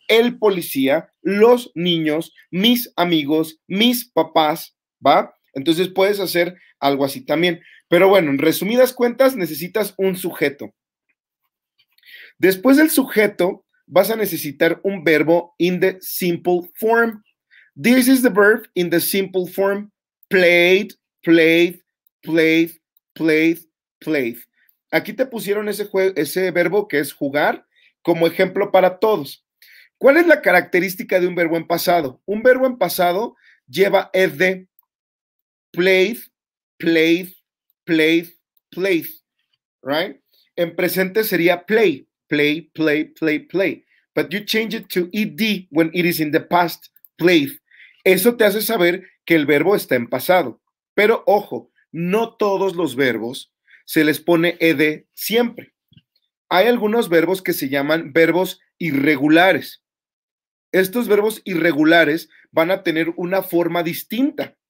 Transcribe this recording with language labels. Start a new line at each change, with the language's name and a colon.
Spanish: El policía, los niños, mis amigos, mis papás, ¿va? Entonces puedes hacer algo así también. Pero bueno, en resumidas cuentas, necesitas un sujeto. Después del sujeto, vas a necesitar un verbo
English: in the simple form. This is the verb in the simple form. Played, played, played, played, played.
Spanish: Aquí te pusieron ese verbo que es jugar como ejemplo para todos. ¿Cuál es la característica de un verbo en pasado? Un verbo en pasado lleva ed.
English: Played, played, played, played. Right?
Spanish: En presente sería play.
English: Play, play, play, play. But you change it to ed when it is in the past, played.
Spanish: Eso te hace saber que el verbo está en pasado. Pero ojo, no todos los verbos se les pone ed siempre. Hay algunos verbos que se llaman verbos irregulares. Estos verbos irregulares van a tener una forma distinta.